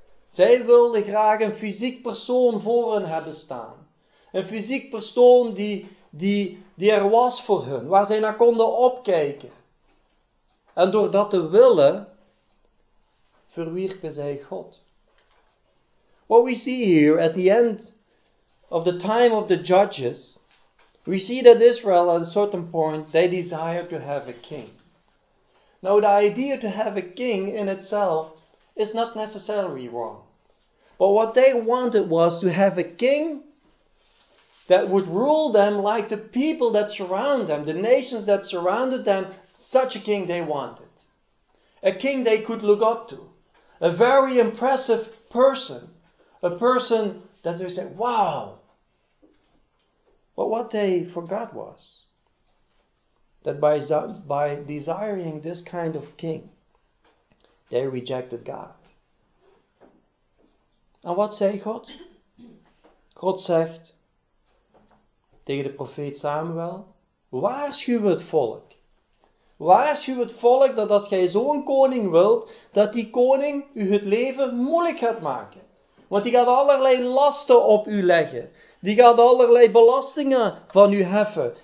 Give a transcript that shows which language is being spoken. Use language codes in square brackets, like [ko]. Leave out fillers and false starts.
[nl] Zij wilden graag een fysiek persoon voor hen hebben staan. Een fysiek persoon die er was voor hen, waar zij naar konden opkijken. En door dat te willen, verwierpen zij God. [en] What we see here at the end of the time of the judges, we see that Israel at a certain point, they desire to have a king. Now the idea to have a king in itself is not necessarily wrong. But what they wanted was to have a king that would rule them like the people that surround them, the nations that surrounded them, such a king they wanted. A king they could look up to. A very impressive person. A person that they said, wow. But what they forgot was that by desiring this kind of king, they rejected God. And what [nl] zei [en] God? [nl] God zegt tegen de profeet Samuel, waarschuw het volk. Waarschuw het volk dat als jij zo'n koning wilt, dat die koning u het leven moeilijk gaat maken. Want die gaat allerlei lasten op u leggen. Die gaat allerlei belastingen van u heffen.